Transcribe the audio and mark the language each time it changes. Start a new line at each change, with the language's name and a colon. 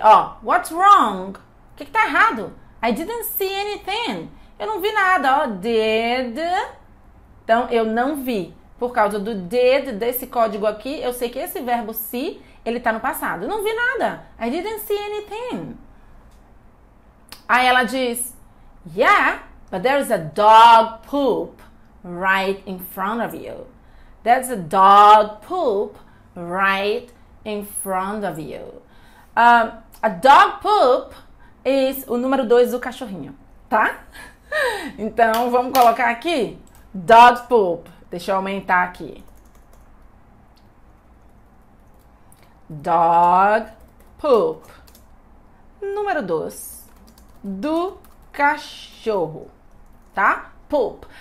English: Ó, what's wrong?
Portuguese: O que que tá errado?
English: I didn't see anything.
Portuguese: Eu não vi nada. Ó, did. Então, eu não vi. Por causa do did, desse código aqui, eu sei que esse verbo see, ele tá no passado. Eu não vi nada.
English: I didn't see anything.
Portuguese: Aí ela diz,
English: yeah, but there is a dog poop right in front of you. That's a dog poop right in front of you. A dog poop is
Portuguese: o número 2 do cachorrinho, tá? Então vamos colocar aqui dog poop. Deixa eu aumentar aqui. Dog poop, número 2 do cachorro, tá? Poop.